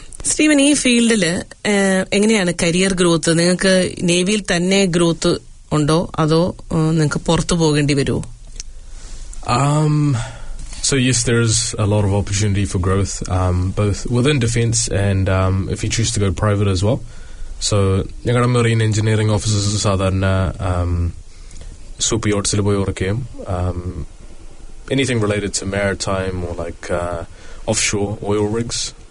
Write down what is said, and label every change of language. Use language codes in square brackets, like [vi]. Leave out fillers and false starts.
[ml] Steven, ഈ ഫീൽഡില് എങ്ങനെയാണ് career growth? നിങ്ങൾക്ക് നേവിയിൽ തന്നെ ഗ്രോത്ത് ഉണ്ടോ അതോ നിങ്ങൾക്ക് പുറത്തു പോകേണ്ടി വരുമോ? [en] So yes, there is a lot of opportunity for growth, both within defence and if you choose to go private as well. [ml] So, ഞങ്ങളുടെ മറീൻ എഞ്ചിനീയറിംഗ് ഓഫീസേഴ്സ് സാധാരണ സൂപ്പർ യോട്ട്സിൽ പോയി ഉറക്കുകയും [en] Anything related to maritime or like offshore oil rigs.